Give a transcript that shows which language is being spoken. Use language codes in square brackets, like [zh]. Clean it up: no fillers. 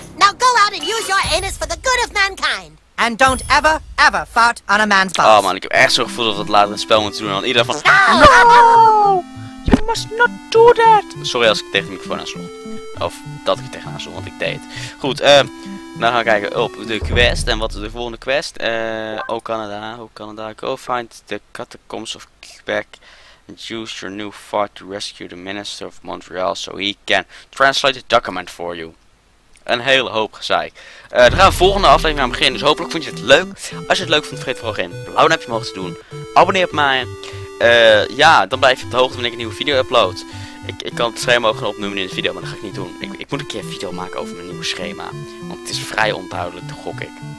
[en] Now go out and use your anus for the good of mankind. And don't ever, ever fart on a man's butt. [nl] Oh man, ik heb echt zo'n gevoel dat we het later in het spel moeten doen. En iedereen van... [en] No! You must not do that! [nl] Sorry als ik tegen de microfoon aan zon. Of dat ik tegenaan zon, want ik deed het. Goed, dan gaan we kijken op de quest. En wat is de volgende quest? [en] Canada. Go find the catacombs of Quebec. And use your new fart to rescue the minister of Montreal so he can translate the document for you. [nl] Een hele hoop gezeik. Dan gaan we de volgende aflevering aan beginnen. Dus hopelijk vond je het leuk. Als je het leuk vond, vergeet vooral geen blauw duimpje omhoog te doen. Abonneer op mij. Dan blijf je op de hoogte wanneer ik een nieuwe video upload. Ik kan het schema ook gaan opnoemen in de video, maar dat ga ik niet doen. Ik moet een keer een video maken over mijn nieuwe schema. Want het is vrij onduidelijk, gok ik.